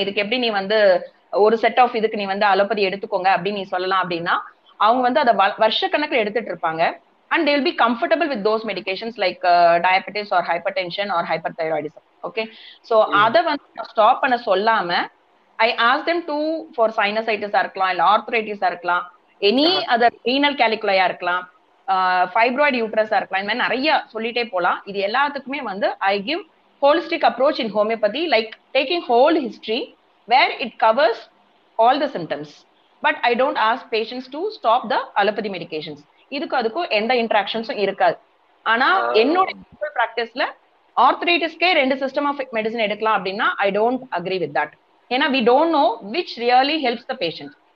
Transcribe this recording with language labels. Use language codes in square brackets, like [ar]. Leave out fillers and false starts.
[ta] Idukku eppadi nee vandu ஒரு set of இதுக்கு நீ வந்து அலோபதி எடுத்துக்கோங்க அப்படின்னு நீ சொல்லலாம் அப்படின்னா அவங்க வந்து அதை வருஷ கணக்கில் எடுத்துட்டு இருப்பாங்க [en] and they will be comfortable with those medications like diabetes or hypertension or hyperthyroidism [ta] okay so அதை வந்து ஸ்டாப் பண்ண சொல்லாம [en] I ask them to for [ta] சைனசைட்டிஸா இருக்கலாம் இல்லை ஆர்த்ரைட்டிஸா இருக்கலாம் எனி அதர் ரீனல் கேலிகுலையா இருக்கலாம் ஃபைப்ராய்டு யூட்ரஸா இருக்கலாம் இந்த மாதிரி நிறைய சொல்லிட்டே போகலாம் இது எல்லாத்துக்குமே வந்து [en] I give holistic approach in homeopathy like taking whole history where it covers all the symptoms. But I don't ask patients to stop the allopathy medications. [ta] இதுக்கு அதுக்கு எந்த இன்ட்ராக்ஷன்ஸும் இருக்காது. ஆனா என்னோட ப்ராக்டிஸ்ல ஆர்த்ரைட்டிஸ்கே ரெண்டு சிஸ்டம் ஆஃப் மெடிசன் எடுக்கலாம் அப்படின்னா [en] I don't agree with that. [ta] ஏன்னா [en] We don't know which really helps the patient.